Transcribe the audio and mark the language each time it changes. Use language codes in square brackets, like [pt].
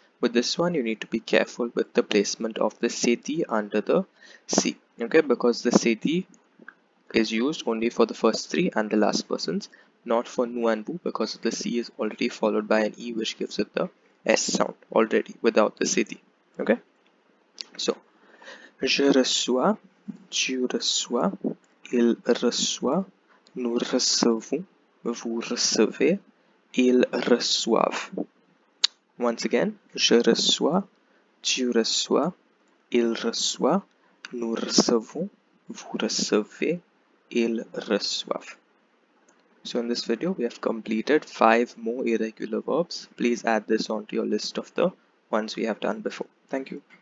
[en] With this one, you need to be careful with the placement of the sedi under the C. Okay, because the sedi is used only for the first three and the last persons, not for nu and bu, because the C is already followed by an E, which gives it the S sound already without the sedi. Okay, so [fr] je reçois, tu reçois, il reçoit, nous recevons, vous recevez, ils reçoivent. [en] Once again, [fr] je reçois, tu reçois, il reçoit, nous recevons, vous recevez, ils reçoivent. [en] So in this video, we have completed five more irregular verbs. Please add this onto your list of the ones we have done before. Thank you.